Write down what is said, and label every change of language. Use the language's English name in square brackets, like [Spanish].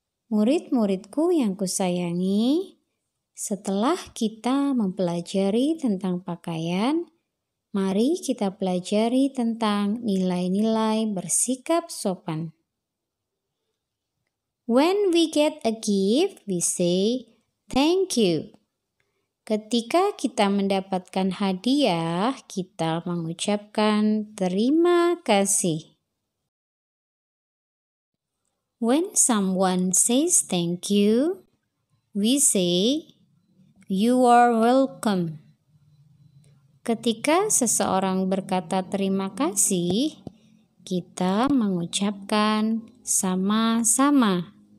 [Indonesian] Murid-muridku yang kusayangi, setelah kita mempelajari tentang pakaian, mari kita pelajari tentang nilai-nilai bersikap sopan. [English] When we get a gift, we say thank you. [Indonesian] Ketika kita mendapatkan hadiah, kita mengucapkan terima kasih. [English] When someone says thank you, we say, you are welcome. [Indonesian] Ketika seseorang berkata terima kasih, kita mengucapkan sama-sama.